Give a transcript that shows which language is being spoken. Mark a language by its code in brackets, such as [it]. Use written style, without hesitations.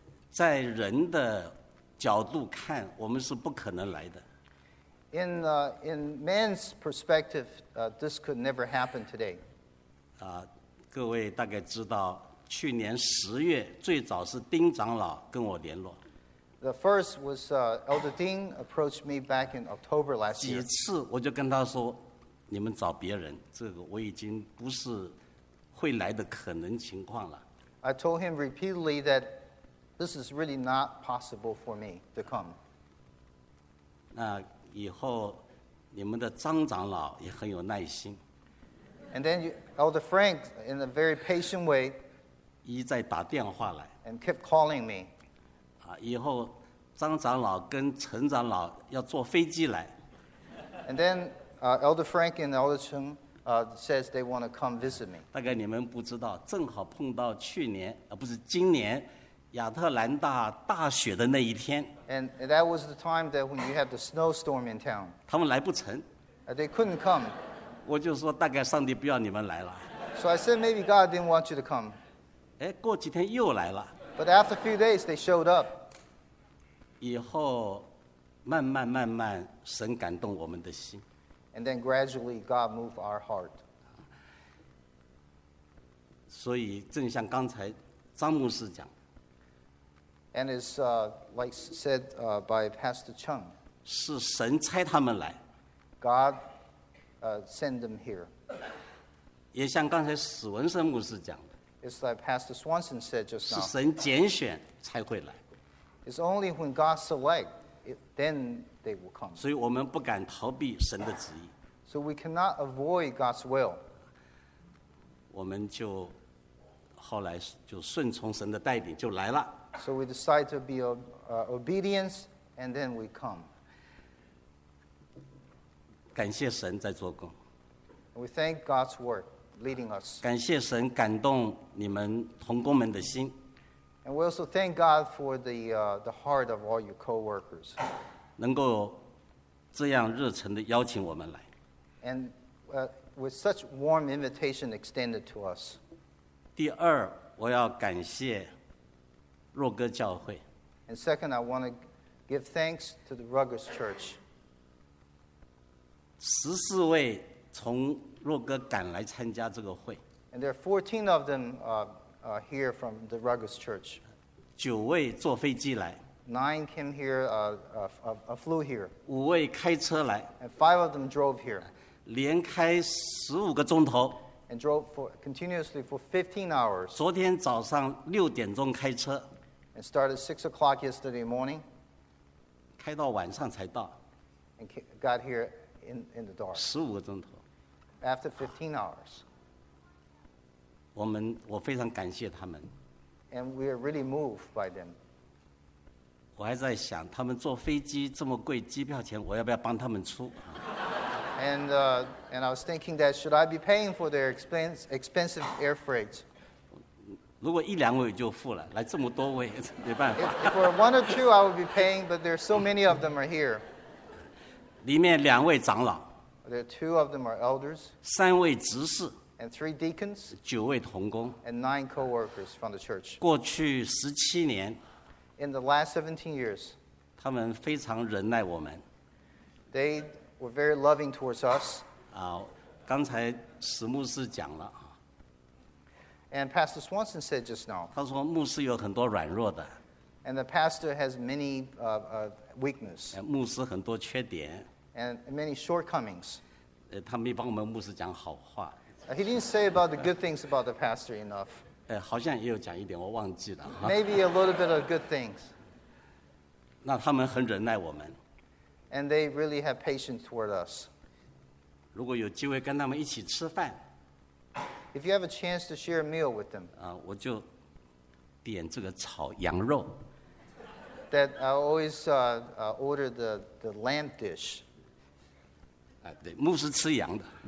[zh] 在人的角度看，我们是不可能来的。 [en] In man's perspective, this could never happen today. [zh] 各位大概知道，去年十月最早是丁长老跟我联络。 [en] The first was Elder Ding approached me back in October last year. [zh] 几次我就跟他说，你们找别人，这个我已经不是会来的可能情况了。 [en] I told him repeatedly that this is really not possible for me to come. [zh] 那以后你们的张长老也很有耐心。 [en] And then Elder Frank, in a very patient way, [zh] 一再打电话来 [en] and kept calling me. [zh] 以后张长老跟陈长老要坐飞机来 [en] And then Elder Frank and Elder Cheng says they want to come visit me. [zh] 大概你们不知道，正好碰到去年，不是今年，亚特兰大大雪的那一天。 [en] And that was the time that when you had the snowstorm in town. [zh] 他们来不成。 [en] They couldn't come. [zh] 我就说大概上帝不要你们来了。 [en] So I said maybe God didn't want you to come. [zh] 哎，过几天又来了。 [en] But after a few days they showed up. [zh] 以后，慢慢慢慢，神感动我们的心。 [en] And then gradually God moved our heart. [zh] 所以正像刚才张牧师讲。 [en] And it's like said by Pastor Chung. [zh] 是神差他们来。 [en] God sent them here. [zh] 也像刚才史文生牧师讲的。 [en] It's like Pastor Swanson said just now. [zh] 是神拣选才会来。 [en] It's only when God selects, then they will come. [zh] 所以我们不敢逃避神的旨意。 [en] So we cannot avoid God's will. [zh] 我们就后来就顺从神的带领就来了。 [en] So we decide to be obedience, and then we come. [zh] 感谢神在做工。 [en] We thank God's work leading us. [zh] 感谢神感动你们同工们的心。 [en] And we also thank God for the heart of all your co-workers. [zh] 能够这样热诚地邀请我们来。 [en] And with such warm invitation extended to us. [zh] 第二，我要感谢若歌教会。 [en] And second, I want to give thanks to the Ruggers Church. [zh] 14位从若歌赶来参加这个会。 [en] And there are 14 of them here from the Ruggers Church. [zh] 9位坐飞机来。 [en] 9 came here, flew here. [zh] 5位开车来。 [en] And 5 of them drove here. [zh] 连开15个钟头。 [en] And drove continuously for 15 hours. [zh] 昨天早上6点钟开车。 [en] And started 6 o'clock yesterday morning. [zh] 开到晚上才到。 [en] And got here in the dark. [zh] 15个钟头。 [en] After 15 hours. [zh] 我非常感谢他们。 [en] And we are really moved by them. [zh] 我还在想，他们坐飞机这么贵，机票钱我要不要帮他们出？ [en] And I was thinking that should I be paying for their expensive air freight? [zh] 如果一两位就付了，来这么多位没办法。 [en] If for one or two, I would be paying, but there are so many of them are here. [zh] 里面两位长老。 [en] There are two of them are elders. [zh] 三位执事。 [en] And three deacons. [zh] 九位同工。 [en] And 9 co-workers from the church. [zh] 过去17年。 [en] In the last 17 years. [zh] 他们非常忍耐我们。 [en] They were very loving towards us. [zh] 刚才史牧师讲了。 [en] And Pastor Swanson said just now. [zh] 他说牧师有很多软弱的。 [en] And the pastor has many weakness. [zh] 牧师很多缺点。 [en] And many shortcomings. [zh] 他没帮我们牧师讲好话。 [en] He didn't say about the good things about the pastor enough. [zh] 好像也有讲一点，我忘记了。 [en] Maybe a little bit of good things. [zh] 那他们很忍耐我们。 [en] And they really have patience toward us. [zh] 如果有机会跟他们一起吃饭。 [en] If you have a chance to share a meal with them, [zh] 我就点这个炒羊肉。 [en] That I always order the lamb dish. [zh] 对，牧师吃羊的。